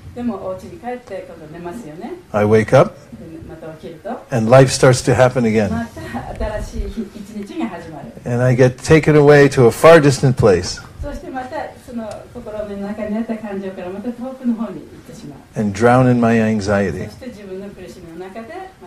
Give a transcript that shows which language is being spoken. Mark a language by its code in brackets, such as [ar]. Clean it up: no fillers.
[ja] でもお家に帰って今度寝ますよね。 [en] I wake up. [ja] また起きると。 [en] And life starts to happen again. [ja] また新しい一日が始まる。 [en] And I get taken away to a far distant place. [ja] そしてまたその心の中にあった感情からまた遠くの方に行ってしまう。 [en] And drown in my anxiety. [ja] そして自分の苦しみの中で。